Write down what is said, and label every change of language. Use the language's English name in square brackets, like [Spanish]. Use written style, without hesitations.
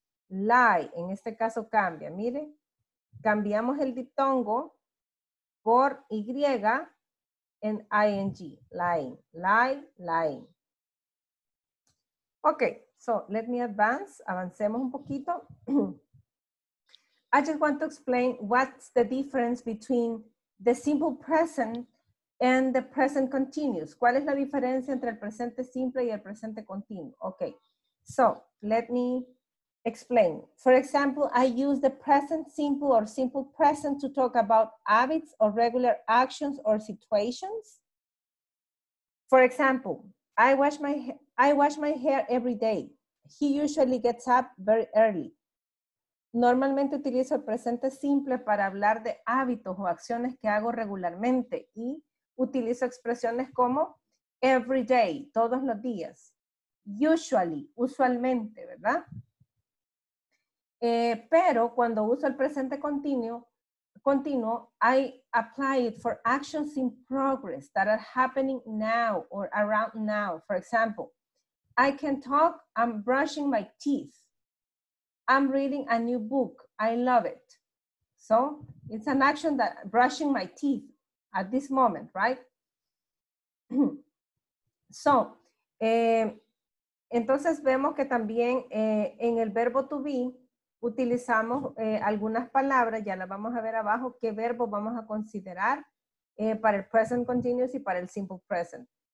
[Spanish] Lie, en este caso cambia, mire. Cambiamos el diptongo por Y en ing, lying, lie, lying. [English] Ok, so let me advance, [Spanish] avancemos un poquito. [English] I just want to explain what's the difference between the simple present and the present continuous. [Spanish] ¿Cuál es la diferencia entre el presente simple y el presente continuo? [English] Ok, so let me explain. For example, I use the present simple or simple present to talk about habits or regular actions or situations. For example, I wash my hair every day. He usually gets up very early. [Spanish] Normalmente utilizo el presente simple para hablar de hábitos o acciones que hago regularmente y utilizo expresiones como [English] every day, [Spanish] todos los días. Usually, usualmente, ¿verdad? Pero cuando uso el presente continuo, [English] continuo, I apply it for actions in progress that are happening now or around now. For example, I can talk, I'm brushing my teeth. I'm reading a new book, I love it. So it's an action that brushing my teeth at this moment, right? [Spanish] So, entonces vemos que también en el verbo to be, utilizamos algunas palabras, ya las vamos a ver abajo, qué verbos vamos a considerar para el present continuous y para el simple present.